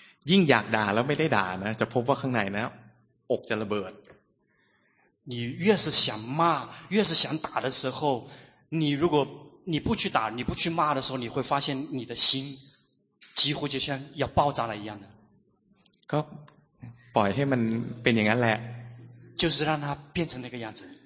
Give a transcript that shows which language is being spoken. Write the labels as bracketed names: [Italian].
[Thai] ยิ่งอยากด่าแล้วไม่ได้ด่านะจะพบว่าข้างในนะอกจะระเบิด [Chinese] 你越是想骂越是想打的时候你如果你不去打你不去骂的时候你会发现你的心几乎就像要爆炸了一样的 [Thai] ก็ปล่อยให้มันเป็นอย่างนั้นแหละ [Chinese] 就是让它变成那个样子